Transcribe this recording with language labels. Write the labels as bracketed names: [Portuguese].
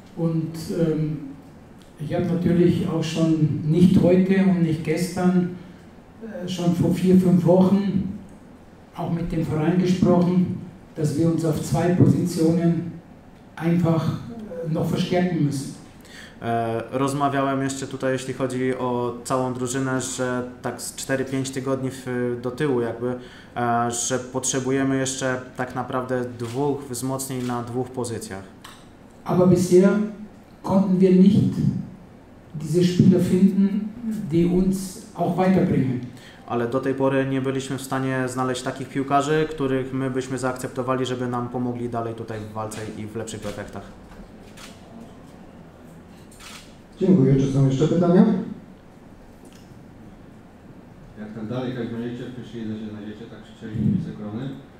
[German] Und ich habe natürlich auch schon nicht heute und nicht gestern, schon vor 4-5 Wochen auch mit dem Verein gesprochen, dass wir uns auf zwei Positionen einfach noch verstärken müssen. [Polish] Rozmawiałem jeszcze tutaj, jeśli chodzi o całą drużynę, że tak z 4-5 tygodni do tyłu jakby, że potrzebujemy jeszcze tak naprawdę dwóch wzmocnień na dwóch pozycjach. [German] Aber bisher konnten wir nicht diese Spieler finden, die uns auch weiterbringen. [Polish] ale do tej pory nie byliśmy w stanie znaleźć takich piłkarzy, których my byśmy zaakceptowali, żeby nam pomogli dalej tutaj w walce i w lepszych efektach. Dziękuję. Czy są jeszcze pytania? Jak tam dalej, jak będziecie, jeśli znajdziecie, tak chcieli mieć zagrony.